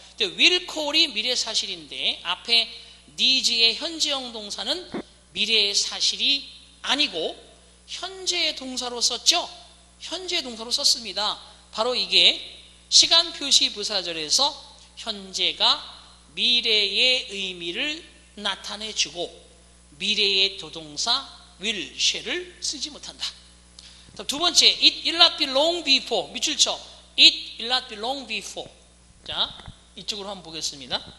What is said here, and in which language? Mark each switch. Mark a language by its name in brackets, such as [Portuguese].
[Korean] 근데 will call이 미래 사실인데 앞에 needs의 현재형 동사는 미래의 사실이 아니고 현재의 동사로 썼죠? 현재의 동사로 썼습니다. 바로 이게 시간 표시 부사절에서 현재가 미래의 의미를 나타내주고 미래의 조동사 will, shall을 쓰지 못한다. 두 번째, [English] it will not be long before. [Korean] 밑줄 쳐. [English] It will not be long before. [Korean] 자, 이쪽으로 한번 보겠습니다.